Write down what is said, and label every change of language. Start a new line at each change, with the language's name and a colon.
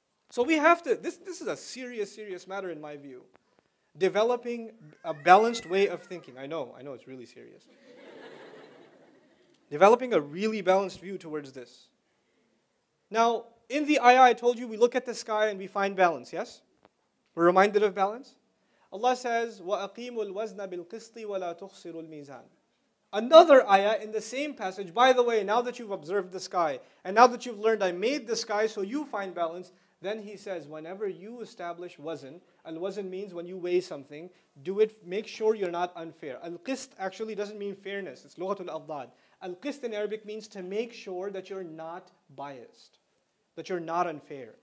English: So we have to, this is a serious, serious matter in my view. Developing a balanced way of thinking. I know, it's really serious. Developing a really balanced view towards this. Now, in the ayah, I told you, we look at the sky and we find balance, yes? We're reminded of balance. Allah says,
Arabic: وَأَقِيمُ الْوَزْنَ بِالْقِسْطِ وَلَا تُخْسِرُ الْمِيزَانِ.
English: Another ayah in the same passage, by the way, now that you've observed the sky, and now that you've learned I made the sky so you find balance, then he says, whenever you establish wazn, and wazn means when you weigh something, do it, make sure you're not unfair. Al-qist actually doesn't mean fairness, it's lughatul adad. Al-qist in Arabic means to make sure that you're not biased, that you're not unfair.